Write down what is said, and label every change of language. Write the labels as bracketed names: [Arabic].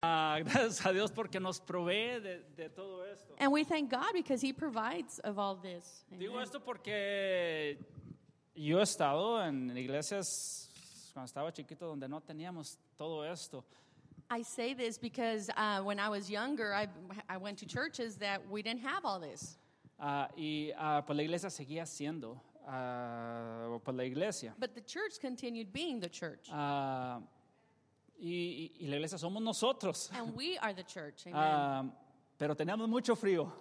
[Spanish] gracias a Dios porque nos provee de todo esto. [English] And we thank God because he provides of all this. Amen. [Spanish] Digo esto porque yo he estado en iglesias cuando estaba chiquito donde no teníamos todo esto. [English] I say this because when I was younger, I went to churches that we didn't have all this. [Spanish] Pues la iglesia seguía siendo por la iglesia. [English] But the church continued being the church. [Spanish] Y la iglesia somos nosotros. [English] And we are the church. Amen. [Spanish] Pero teníamos mucho frío.